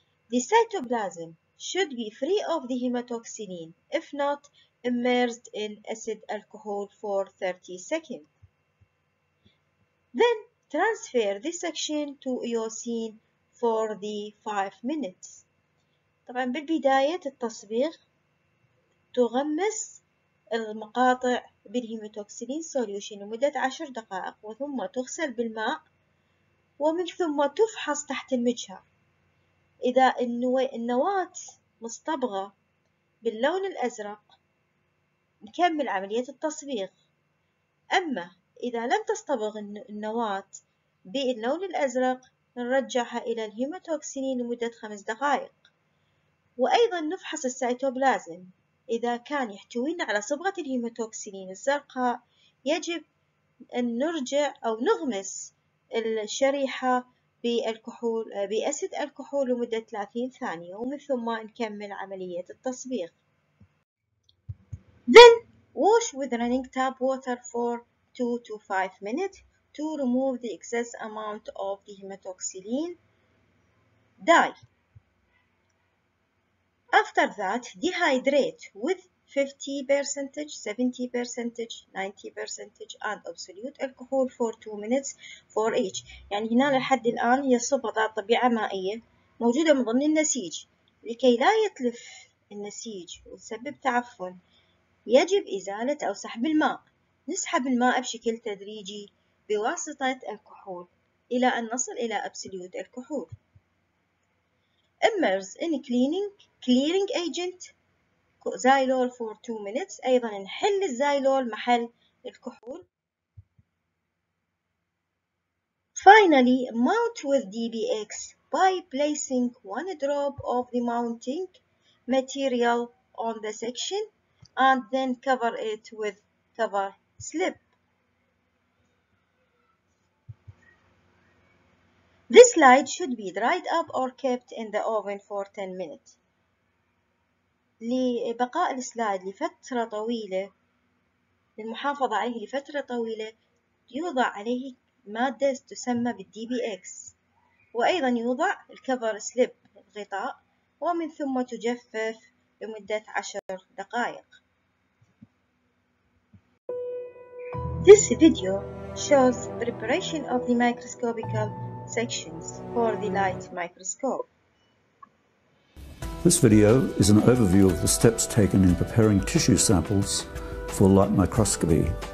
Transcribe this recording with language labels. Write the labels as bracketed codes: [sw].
[en] The cytoplasm should be free of the hematoxylin. If not, immersed in acid alcohol for 30 seconds. Then, transfer this section to eosine for the 5 minutes. [ar] طبعا بالبداية التصبيغ تغمس المقاطع بالهيموتوكسيلين سوليوشن لمدة 10 دقائق وثم تغسل بالماء ومن ثم تفحص تحت المجهر. إذا النواة مصطبغة باللون الأزرق نكمل عملية التصبيغ. أما إذا لم تصطبغ النواة باللون الأزرق نرجعها إلى الهيموتوكسينين لمدة 5 دقائق. وأيضا نفحص السيتوبلازم. إذا كان يحتوينا على صبغة الهيموتوكسينين الزرقاء يجب أن نرجع أو نغمس الشريحة بالكحول بأسيد الكحول لمدة 30 ثانية ومن ثم نكمل عملية التصبيغ. [en] Then wash with running tap water for 2 to 5 minutes to remove the excess amount of the hematoxylin dye. After that, dehydrate with 50%, 70%, 90% and absolute alcohol for 2 minutes for each. [ar] يعني هنا لحد الآن هي صبغة طبيعة مائية موجودة من ضمن النسيج. لكي لا يتلف النسيج وتسبب تعفن يجب إزالة أو سحب الماء. نسحب الماء بشكل تدريجي بواسطة الكحول إلى أن نصل إلى أبسوليوت الكحول. [en] Immerse in clearing agent xylol for 2 minutes. [ar] أيضا نحل الزايلول محل الكحول. [en] Finally, mount with DBX by placing one drop of the mounting material on the section and then cover it with cover slip. This slide should be dried up or kept in the oven for 10 minutes. [ar] لبقاء السلايد لفترة طويلة للمحافظة عليه لفترة طويلة يوضع عليه مادة تسمى بالDBX وأيضا يوضع الكفر سليب غطاء ومن ثم تجفف لمدة 10 دقائق. [en] This video shows preparation of the microscopical sections for the light microscope. This video is an overview of the steps taken in preparing tissue samples for light microscopy.